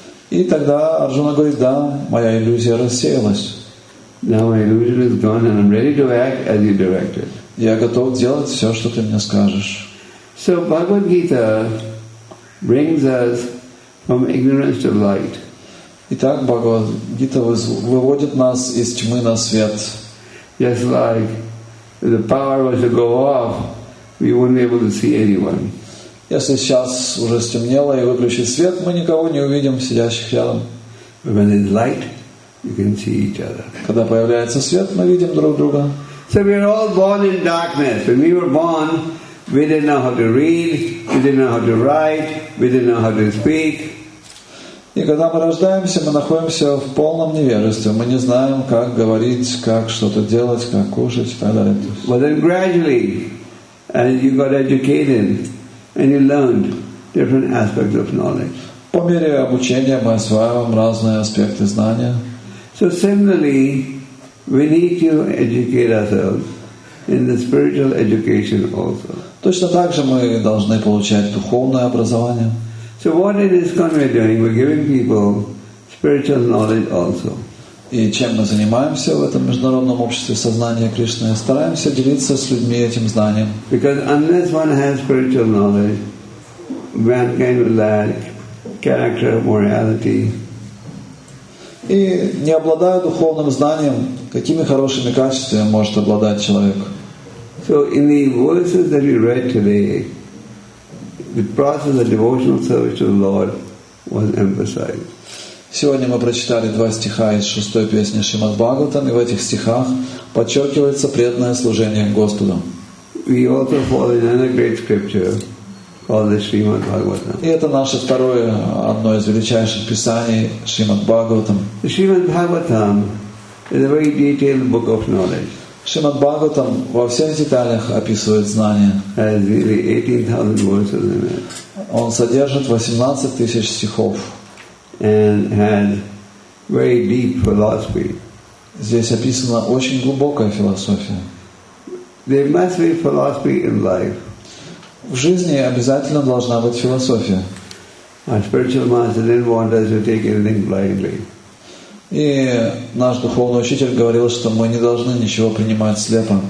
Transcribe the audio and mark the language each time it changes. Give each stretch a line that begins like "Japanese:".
Russian: И тогда Арджуна говорит: да, моя иллюзия рассеялась.
English: Now my illusion is gone and I'm ready to act as you directed.
Russian: Я готов делать все, что ты мне скажешь.
English: So Bhagavad Gita brings us from ignorance to light.
Russian: Итак, Бхагавад Гита выводит нас из тьмы на свет.
English: Just like the power was to go off, we wouldn't be able to see anyone.
Russian: Если сейчас уже стемнело и выключит свет, мы никого не увидим, сидящих рядом.
English: When there's light, you can see each other.
Russian: Когда появляется свет, мы видим друг друга.
English: So we are all born in darkness. When we were born, we didn't know how to read, we didn't know how to write, we didn't know how to speak.
Russian: И когда мы рождаемся, мы находимся в полном невежестве. Мы не знаем, как говорить, как что-то делать, как кушать и так далее.
English: But then gradually, and you got educated. And you learned different aspects of knowledge.
Russian: По мере обучения мы осваиваем разные аспекты знания.
English: So similarly, we need to educate ourselves in the spiritual education also.
Russian: Точно так же мы должны получать духовное образование.
English: So what is this kind of doing? We're giving people spiritual knowledge also.
Russian: И чем мы занимаемся в этом международном обществе сознания Кришны? Стараемся делиться с людьми этим знанием.
English: Because unless one has spiritual knowledge, mankind will lack character, morality.
Russian: И не обладая духовным знанием, какими хорошими качествами может обладать человек?
English: So in the verses that we read today, the process of devotional service to the Lord was emphasized.
Russian: Сегодня мы прочитали два стиха из шестой песни Шримад Бхагаватам, и в этих стихах подчеркивается преданное служение Господу.
English: We also follow another great scripture called the Shrimad Bhagavatam.
Russian: И это наше второе, одно из величайших писаний Шримад Бхагаватам.
English: The Shrimad Bhagavatam is a very detailed book of knowledge.
Russian: Шримад Бхагаватам во всех деталях описывает знания.
English: Has really 18,000 verses in it.
Russian: Он содержит 18 тысяч стихов.
English: And had very deep philosophy.
Russian: Здесь описана очень глубокая философия.
English: There must be philosophy in life.
Russian: В жизни обязательно должна быть философия.
English: Our spiritual master didn't want us to take anything blindly.
Russian: И наш духовный учитель говорил, что мы не должны ничего принимать слепо.